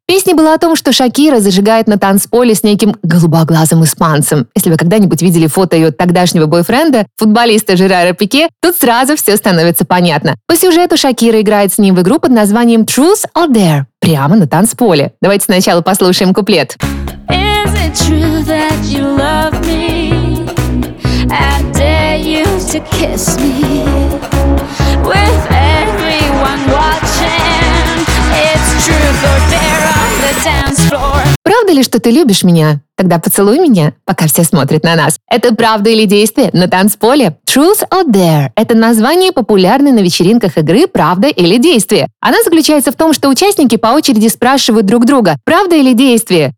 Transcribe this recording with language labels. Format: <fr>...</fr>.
<ru>Песня была о том, что Шакира зажигает на танцполе с неким голубоглазым испанцем. Если вы когда-нибудь видели фото ее тогдашнего бойфренда, футболиста Жерара Пике, тут сразу все становится понятно. По сюжету Шакира играет с ним в игру под названием «Truth or Dare». Прямо на танцполе. Давайте сначала послушаем куплет.</ru> <en>Is it true that you love me? I dare you to kiss me. With everyone watching. It's truth or dare on the dance floor.</en> <ru>Правда ли, что ты любишь меня? Тогда поцелуй меня, пока все смотрят на нас. Это правда или действие на танцполе? Truth or Dare – это название популярной на вечеринках игры «Правда или действие». Она заключается в том, что участники по очереди спрашивают друг друга «Правда или действие?».</ru>